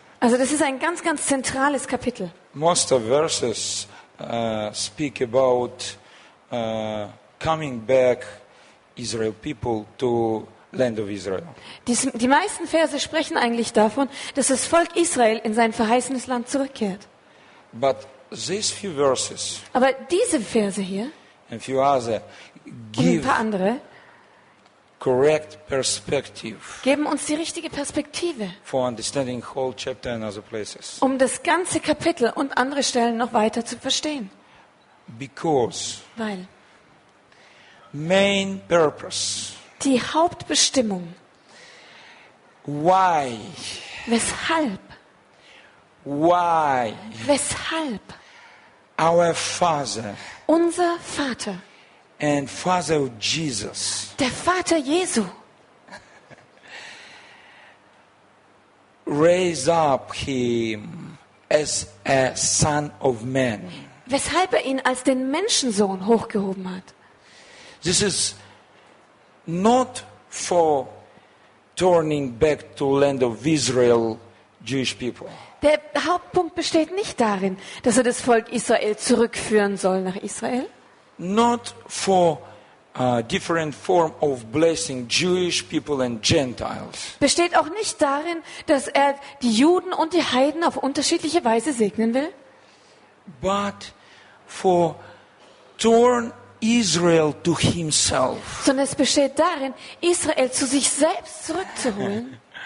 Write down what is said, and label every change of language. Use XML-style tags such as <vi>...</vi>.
<de>Also das ist ein ganz, ganz zentrales Kapitel.</de> <en>Most of verses speak about coming back Israel people to land of Israel.</en> <de>Die meisten Verse sprechen eigentlich davon, dass das Volk Israel in sein verheißenes Land zurückkehrt.</de> <en>But these few verses.</en> <de>Aber diese Verse hier.</de> <en>And few other, give</en> <de>und ein paar andere.</de> <en>Correct perspective.</en> <de>Geben uns die richtige Perspektive.</de> <en>For understanding whole chapter and other places.</en> <de>Um das ganze Kapitel und andere Stellen noch weiter zu verstehen.</de> <en>Because.</en> <de>Weil.</de> <en>Main purpose.</en> <de>Die Hauptbestimmung.</de> <en>Why.</en> <de>Weshalb.</de> <en>Why.</en> <de>Weshalb.</de> <en>Our Father.</en> <de>Unser Vater.</de> <en>And Father Jesus.</en> <de>Der Vater Jesu.</de> <en>Raise up him as a son of man.</en> <de>Weshalb er ihn als den Menschensohn hochgehoben hat.</de> <en>This is not for turning back to land of Israel, Jewish people.</en> <de>Der Hauptpunkt besteht nicht darin, dass er das Volk Israel zurückführen soll nach Israel.</de> <en>Not for a different form of blessing Jewish people and Gentiles.</en> <de>Besteht auch nicht darin, dass er die Juden und die Heiden auf unterschiedliche Weise segnen will.</de> <en>But for turn Israel to himself.</en> <de>Sondern es besteht darin, Israel zu sich selbst zurückzuholen.</de>